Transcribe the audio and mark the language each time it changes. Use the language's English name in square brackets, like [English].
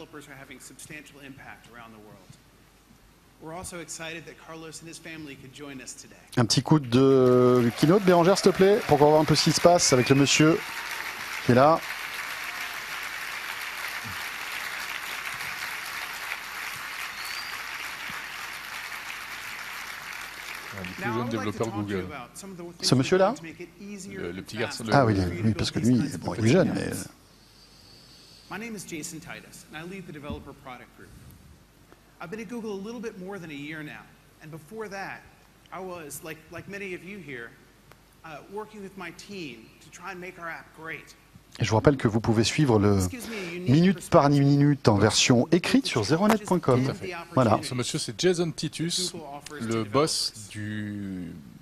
[English] are having substantial impact around the world. We're also excited that Carlos and his family could join us today. [French] Un petit coup de keynote, Bérangère, s'il te plaît, pour qu'on voit un peu ce qui se passe avec le monsieur qui est là. Plus jeune développeur Google. Ce monsieur-là, le petit garçon. Ah oui, oui, parce que lui, bon, il est jeune, mais. [English] My name is Jason Titus, and I lead the developer product group. I've been at Google a little bit more than a year now, and before that, I was like many of you here, working with my team to try and make our app great. [French] Et je vous rappelle que vous pouvez suivre le minute par minute en version écrite sur zeronet.com. Voilà. Ce monsieur, c'est Jason Titus, le boss du.